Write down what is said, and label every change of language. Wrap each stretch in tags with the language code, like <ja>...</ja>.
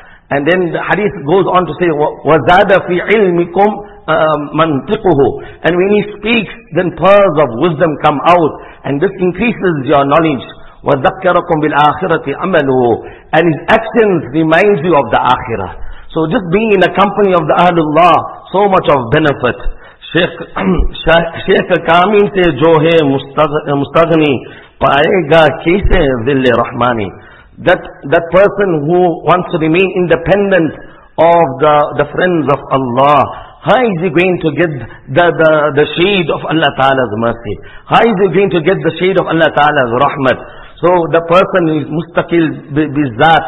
<en>And then the hadith goes on to say,</en> <ar>وَزَادَ فِي عِلْمِكُمْ مَنْتِقُهُ.</ar> <en>And when he speaks, then pearls of wisdom come out, and this increases your knowledge.</en> <ar>وَذَكَّرَكُمْ بِالْآخِرَةِ عَمَلُهُ.</ar> <en>And his actions reminds you of the akhirah. So just being in the company of the Ahlullah, so much of benefit. Shaykh Kamil says,</en> <ur>جو ہے مستغنی پائے گا کیسے ذل رحمانی.</ur> <en>That person who wants to remain independent of the friends of Allah, how is he going to get the shade of Allah Ta'ala's mercy? How is he going to get the shade of Allah Ta'ala's rahmat? So the person is mustaqil bizzat.</en>